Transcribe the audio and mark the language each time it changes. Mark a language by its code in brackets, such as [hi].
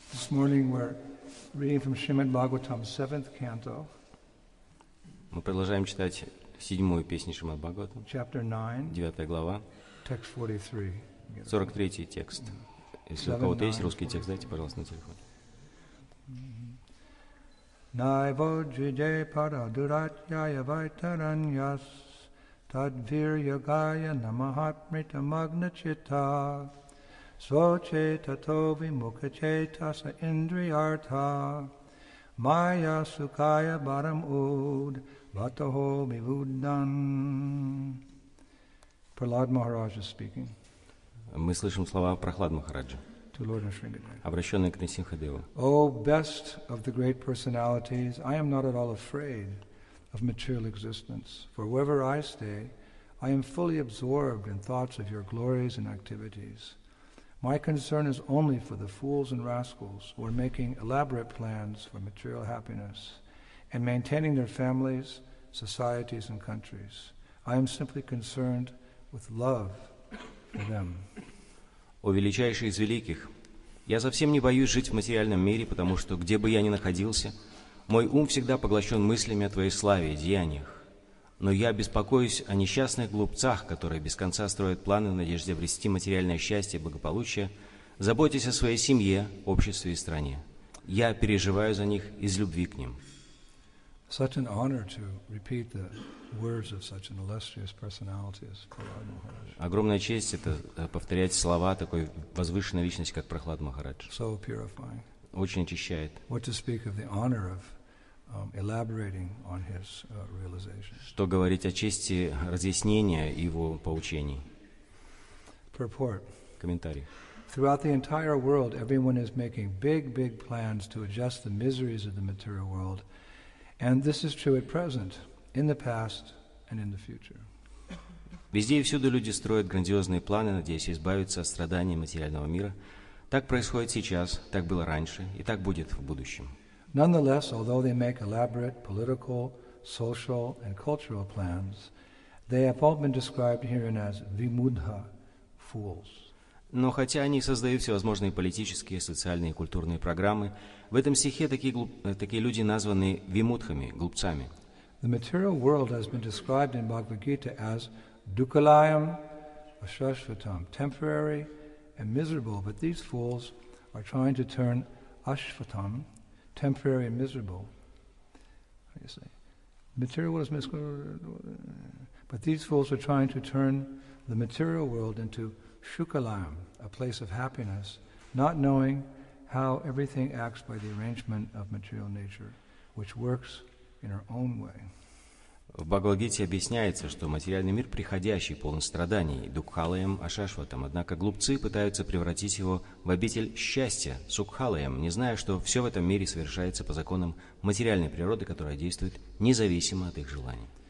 [en] morning we're reading from Srimad Bhagavatam, 7th canto. [ru] Мы продолжаем читать седьмую песню Шримад Бхагаватам. [en] Chapter 9. [ru] 9 глава. [en] Text 43. [ru] 43 текст. Если у кого-то есть русский текст, дайте, пожалуйста, на телефон. [sa] Naivo jide para duratyaya vaitaranyas tadviryagaya namahatmrita magnachita Soche tatovi mukache tasa indriyartha Maya sukaya baram ud vataho mivuddan. [en] Prahlad Maharaj is speaking. [ru] Мы слышим слова Прохлад Махараджа, обращенные к Нарсимхадеву. [en] O best of the great personalities, I am not at all afraid of material existence. For wherever I stay, I am fully absorbed in thoughts of your glories and activities. My concern is only for the fools and rascals who are making elaborate plans for material happiness and maintaining their families, societies, and countries. I am simply concerned with love for them. [ru] О величайший из великих! Я совсем не боюсь жить в материальном мире, потому что, где бы я ни находился, мой ум всегда поглощен мыслями о твоей славе и деяниях. Но я беспокоюсь о несчастных глупцах, которые без конца строят планы в надежде обрести материальное счастье и благополучие, заботясь о своей семье, обществе и стране. Я переживаю за них из любви к ним. [en] Such an honor to repeat the words of such an illustrious personality as Prahlad Maharaj. [ru] Огромная честь это повторять слова такой возвышенной личности, как Прохлад Махарадж. [en] So purifying. [ru] Очень очищает. [en] What to speak of the honor of elaborating on his realization. [ru] Что говорить о чести разъяснения его поучений? [en] Purport. [ru] Комментарий. [en] Throughout the entire world, everyone is making big, big plans to adjust the miseries of the material world. And this is true at present, in the past, and in the future. [ru] Везде и всюду люди строят грандиозные планы, надеясь избавиться от страданий материального мира. Так происходит сейчас, так было раньше, и так будет в будущем. [en] Nonetheless, although they make elaborate political, social, and cultural plans, they have all been described herein as vimudha, fools. [ru] Но хотя они создают всевозможные политические, социальные и культурные программы, в этом стихе такие люди названы вимудхами, глупцами. [en] The material world has been described in Bhagavad Gita as dukkalayam, ashashvatam, temporary and miserable, but these fools are trying to turn ashvatam, temporary and miserable. How do you say? Material world is miserable, but these fools are trying to turn the material world into shukalayam, a place of happiness, not knowing how everything acts by the arrangement of material nature, which works in our own way. [ru] В Бхагавад-гите объясняется, что материальный мир приходящий, полон страданий, дукхалаем, ашашватам, однако глупцы пытаются превратить его в обитель счастья, сукхалаем, не зная, что все в этом мире совершается по законам материальной природы, которая действует независимо от их желаний.